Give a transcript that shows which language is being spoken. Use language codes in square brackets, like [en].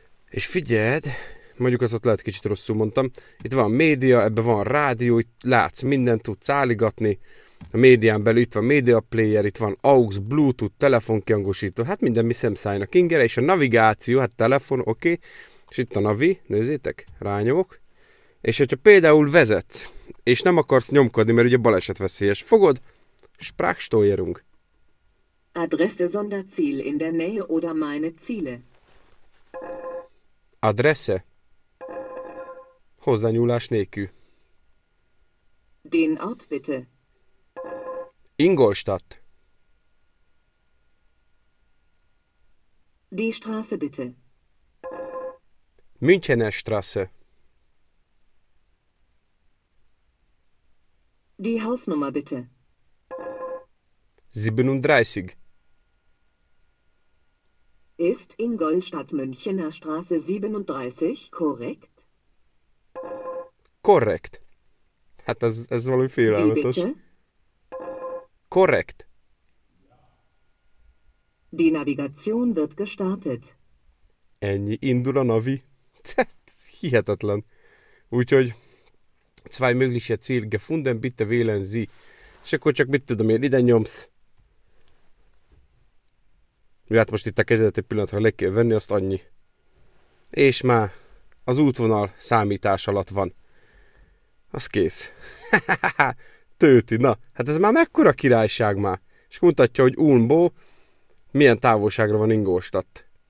[hu] És figyeld, mondjuk azt lehet kicsit rosszul mondtam, itt van média, ebben van rádió, itt látsz mindent, tudsz álligatni, a médián belül itt van média player, itt van AUX, Bluetooth, telefonkihangosító, hát minden mi szemszájnak ingere, és a navigáció, hát telefon, oké, és itt a Navi, nézzétek, rányomok, és hogyha például vezetsz, és nem akarsz nyomkodni, mert ugye baleset veszélyes, fogod, Sprachsteuerung. [de] Adresse Sonderziel in der Nähe oder meine Ziele. [hu] Adresse. Hozzányúlás nélkül. [de] Den Ort bitte. Ingolstadt. Die Straße bitte. Münchener Straße. Die Hausnummer bitte. 37. Ist Ingolstadt Münchener Straße 37 korrekt? Korrekt. [hu] Hát ez valami félelmetes. [de] Wie bitte? Korrekt. Die Navigation wird gestartet. [hu] Ennyi, indul a Navi. Hihetetlen. [de] Úgyhogy, zwei mögliche Ziele gefunden, bitte wählen Sie. [hu] És akkor csak mit tudom én, ide nyomsz. Hát most itt a kezedet egy pillanatra le kell venni, azt annyi. És már az útvonal számítás alatt van. Az kész. Tőti, na, hát ez már mekkora királyság már? És mutatja, hogy Ulmbo milyen távolságra van Ingolstadt.